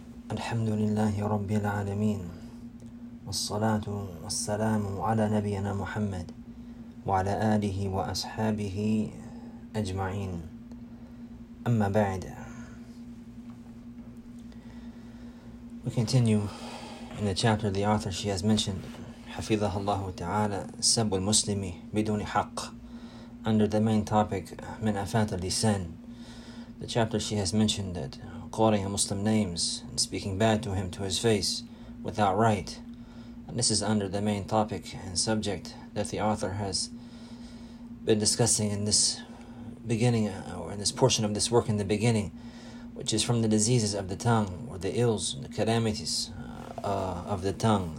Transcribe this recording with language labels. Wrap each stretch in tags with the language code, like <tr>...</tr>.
<ar>الحمد لله رب العالمين، والصلاة والسلام على نبينا محمد وعلى آله وأصحابه أجمعين، أما بعد.</ar> <en>We continue in the chapter the author she has mentioned.</en> <ar>حفظها الله تعالى سب المسلم بدون حق.</ar> <en>Under the main topic</en> <ar>من أفات اللسان.</ar> <en>The chapter she has mentioned that calling a Muslim names and speaking bad to him to his face without right. And this is under the main topic and subject that the author has been discussing in this beginning, or in this portion of this work in the beginning, which is from the diseases of the tongue, or the ills and the calamities of the tongue.</en>